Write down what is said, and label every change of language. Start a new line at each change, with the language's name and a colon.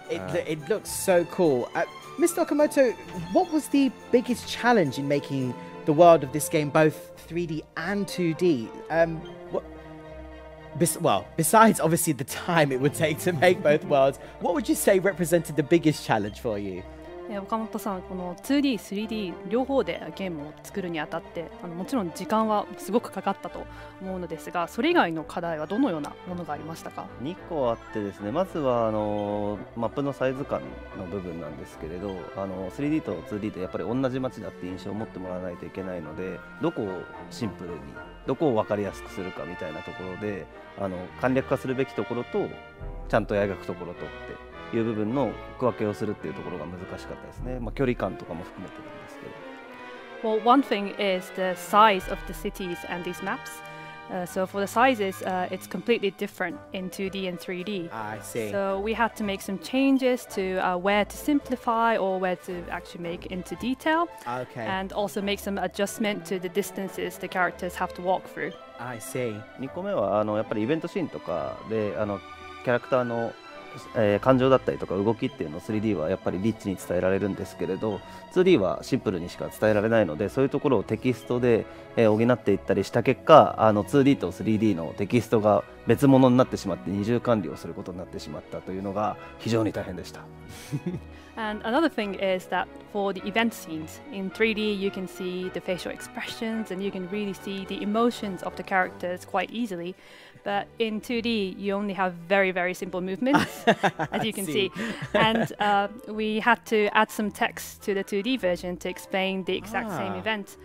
English: It looks so cool. Mr. Okamoto, what was the biggest challenge in making the world of this game both 3D and 2D? Besides obviously the time it would take to make both worlds, what would you say represented the biggest challenge for you?
Japanese: 岡本さん、この 2D、3D 両方でゲームを作るにあたって、もちろん時間はすごくかかったと思うのですが、それ以外の課題はどのようなものがありましたか？2個あってですね、まずはマップのサイズ感の部分なんですけれど、3D と 2D ってやっぱり同じ街だって印象を持ってもらわないといけないので、どこをシンプルに、どこを分かりやすくするかみたいなところで、簡略化するべきところと、ちゃんとやがくところとって。いう部分の区分けをするっていうところが難しかったですね。まあ、距離感とかも含めてなんですけど。
English: Well, one thing is the size of the cities and these maps. So for the sizes, it's completely different in 2D and 3D. I see. So we had to make some changes to where to simplify or where to actually make into detail. Okay. And also make some adjustment to the distances the characters have to walk through. I see.
Japanese: 二個目はやっぱりイベントシーンとかでキャラクターの感情だったりとか動きっていうのを 3D はやっぱりリッチに伝えられるんですけれど 2D はシンプルにしか伝えられないのでそういうところをテキストで補っていったりした結果 2D と 3D のテキストが別物になってしまって二重管理をすることになってしまったというのが非常に大変でした。
English: And another thing is that for the event scenes, in 3D you can see the facial expressions and you can really see the emotions of the characters quite easily. But in 2D you only have very, very simple movements, as you can see. And we had to add some text to the 2D version to explain the exact same event.